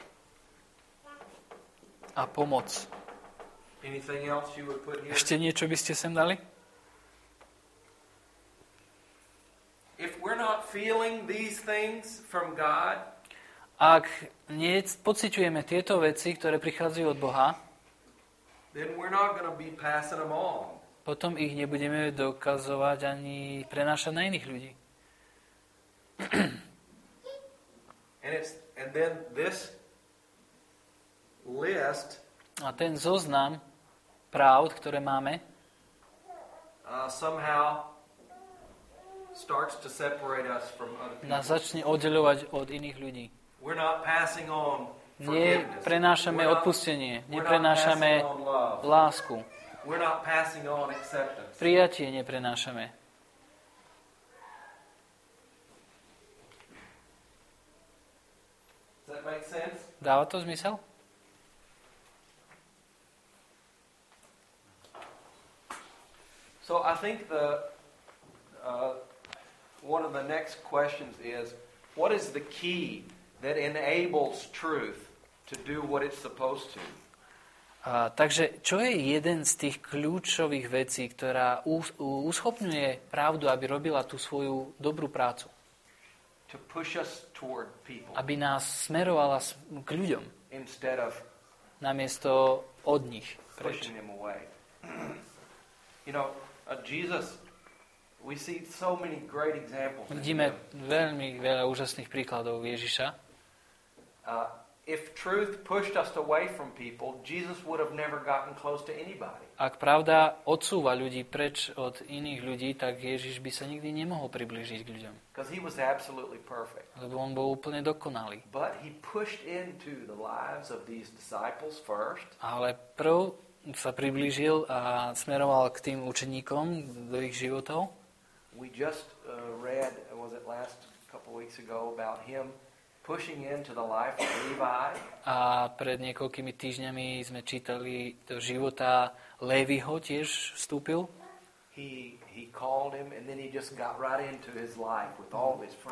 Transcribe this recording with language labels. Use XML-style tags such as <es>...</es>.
<en>Help.</en> <sk>A pomoc.</sk> <en>Anything else you would put here?</en> <sk>Ešte niečo by ste sem dali?</sk> <en>If we're not feeling these things from God,</en> <sk>ak pociťujeme tieto veci, ktoré prichádzajú od Boha,</sk> <en>then we're not gonna be passing them on.</en> <sk>Potom ich nebudeme dokazovať ani prenášať na iných ľudí.</sk> <en>And then this list,</en> <sk>a ten zoznam pravd, ktoré máme,</sk> <en>somehow starts to separate us from other people.</en> <sk>Nás začne oddeľovať od iných ľudí.</sk> <en>We're not passing on forgiveness.</en> <sk>Neprenášame odpustenie, neprenášame lásku.</sk> <en>We're not passing on acceptance.</en> <sk>Prijatie neprenášame. Dáva to zmysel?</sk> <en>So I think the one of the next questions is, what is the key that enables truth to do what it's supposed to?</en> <sk>Takže čo je jeden z tých kľúčových vecí, ktorá uschopňuje pravdu, aby robila tú svoju dobrú prácu?</sk> <en>To push us toward people.</en> <sk>Aby nás smerovala k ľuďom.</sk> <en>Instead of</en> <sk>namiesto od nich.</sk> <en>Pushing them away. You know, Jesus We see so many great examples.</en> <sk>Vidíme veľmi veľa úžasných príkladov Ježiša.</sk> <en>If truth pushed us away from people, Jesus would have never gotten close to anybody.</en> <sk>Ak pravda odsúva ľudí preč od iných ľudí, tak Ježiš by sa nikdy nemohol priblížiť k ľuďom.</sk> <en>Because he was absolutely perfect.</en> <sk>Lebo on bol úplne dokonalý.</sk> <en>But he pushed into the lives of these disciples first.</en> <sk>Ale prv sa priblížil a smeroval k tým učeníkom do ich životov.</sk> <en>We just read, was it last couple weeks ago, about him pushing into the life of Levi.</en> <sk>A pred niekoľkými týždňami sme čítali do života Leviho tiež vstúpil.</sk> <en>He called him and then he just got right into his life with all his friends.</en>